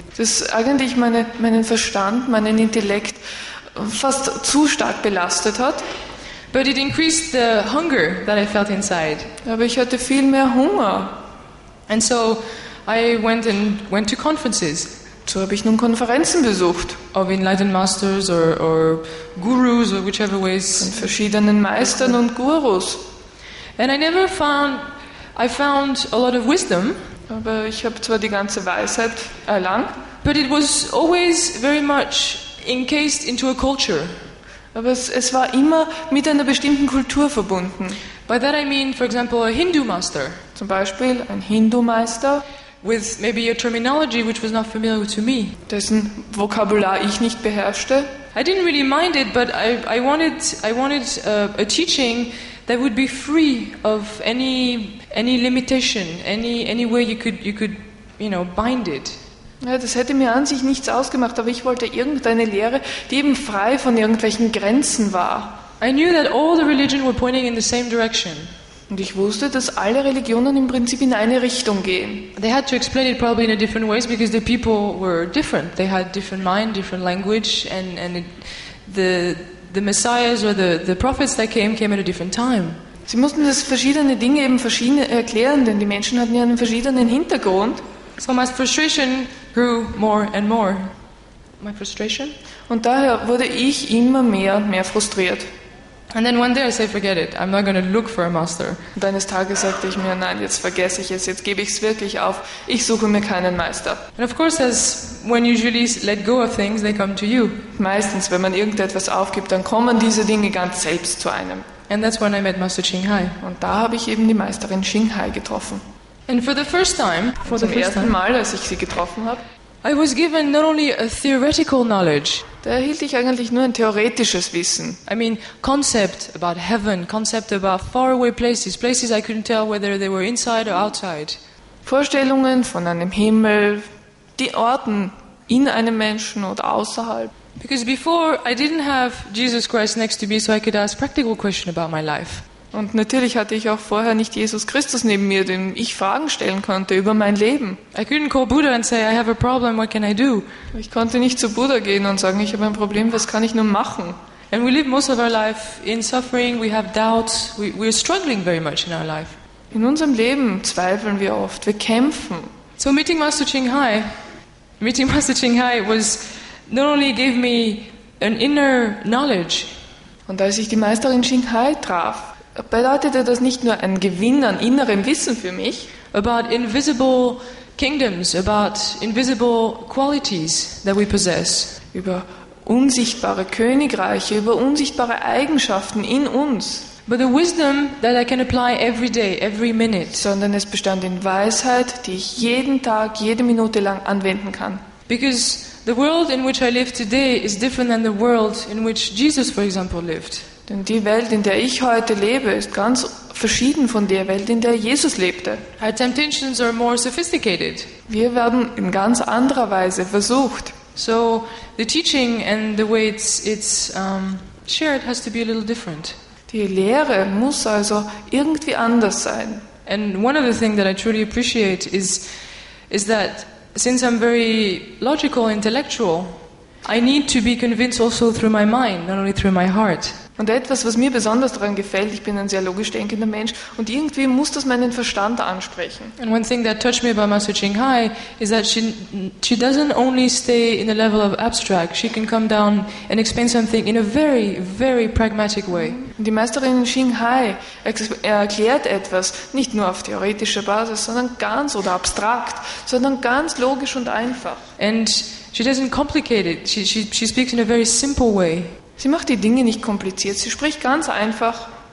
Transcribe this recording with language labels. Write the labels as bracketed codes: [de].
[de] Das eigentlich meinen Verstand, meinen Intellekt fast zu stark belastet hat. [en] But it increased the hunger that I felt inside. [de] Aber ich hatte viel mehr Hunger. [en] And so I went to conferences. [de] So habe ich nun Konferenzen besucht. [en] Of enlightened masters or gurus or whichever ways. [de] Von verschiedenen Meistern und Gurus. [en] And I found a lot of wisdom. [de] Aber ich habe zwar die ganze Weisheit erlangt. [en] But it was always very much encased into a culture. [de] Aber es war immer mit einer bestimmten Kultur verbunden. [en] By that I mean, for example, a Hindu master. [de] Zum Beispiel ein Hindu-Meister. [en] With maybe a terminology which was not familiar to me. [de] Dessen Vokabular ich nicht beherrschte. [en] I didn't really mind it, but I wanted a teaching that would be free of any limitation, any way you could you know bind it. [de] Ja, das hätte mir an sich nichts ausgemacht, aber ich wollte irgendeine Lehre, die eben frei von irgendwelchen Grenzen war. [en] I knew that all the religions were pointing in the same direction. [de] Und ich wusste, dass alle Religionen im Prinzip in eine Richtung gehen. [en] They had to explain it probably in a different ways because the people were different. They had different mind, different language, and the messiahs or the prophets that came at a different time. [de] Sie mussten das verschiedene Dinge eben verschieden erklären, denn die Menschen hatten ja einen verschiedenen Hintergrund. [en] So my frustration grew more and more. My frustration. [de] Und daher wurde ich immer mehr und mehr frustriert. [en] And then one day I say, forget it, I'm not going to look for a master. [de] Und eines Tages sagte ich mir, nein, jetzt vergesse ich es, jetzt gebe ich es wirklich auf, ich suche mir keinen Meister. [en] And of course, as when usually let go of things, they come to you. [de] Meistens, wenn man irgendetwas aufgibt, dann kommen diese Dinge ganz selbst zu einem. [en] And that's when I met Master Qinghai. [de] Und da habe ich eben die Meisterin Qinghai getroffen. [en] And for the first time, for [de] zum ersten Mal, als ich sie getroffen habe, [en] I was given not only a theoretical knowledge. [de] Da erhielt ich eigentlich nur ein theoretisches Wissen. [en] I mean, concept about heaven, concept about faraway places, places I couldn't tell whether they were inside or outside. [de] Vorstellungen von einem Himmel, die Orten in einem Menschen oder außerhalb. [en] Because before I didn't have Jesus Christ next to me, so I could ask practical questions about my life. [de] Und natürlich hatte ich auch vorher nicht Jesus Christus neben mir, dem ich Fragen stellen konnte über mein Leben. [en] I couldn't call Buddha and say, I have a problem, what can I do? [de] Ich konnte nicht zu Buddha gehen und sagen, ich habe ein Problem, was kann ich nur machen? [en] And we live most of our life in suffering, we have doubts, we're struggling very much in our life. [de] In unserem Leben zweifeln wir oft, wir kämpfen. [en] So meeting Master Qinghai was not only gave me an inner knowledge. [de] Und als ich die Meisterin Qinghai traf, bedeutete das nicht nur ein Gewinn an innerem Wissen für mich? [en] About invisible kingdoms, about invisible qualities that we possess. [de] Über unsichtbare Königreiche, über unsichtbare Eigenschaften in uns. [en] But the wisdom that I can apply every day, every minute. [de] Sondern es bestand in Weisheit, die ich jeden Tag, jede Minute lang anwenden kann. [en] Because the world in which I live today is different than the world in which Jesus, for example, lived. [de] Denn die Welt, in der ich heute lebe, ist ganz verschieden von der Welt, in der Jesus lebte. [en] Our temptations are more sophisticated. [de] Wir werden in ganz anderer Weise versucht. [en] So the teaching and the way it's shared has to be a little different. [de] Die Lehre muss also irgendwie anders sein. [en] And one of the things that I truly appreciate is that since I'm very logical, intellectual, I need to be convinced also through my mind, not only through my heart. [de] Und etwas, was mir besonders daran gefällt, ich bin ein sehr logisch denkender Mensch und irgendwie muss das meinen Verstand ansprechen. [en] And one thing that touched me about Master Qinghai is that she doesn't only stay in the level of abstract, she can come down and explain something in a very, very pragmatic way. [de] Die Meisterin Qinghai erklärt etwas nicht nur auf theoretischer Basis, sondern ganz oder abstrakt, sondern ganz logisch und einfach. [en] And she doesn't complicate it, she speaks in a very simple way. [de] Sie macht die Dinge nicht kompliziert, sie spricht ganz einfach.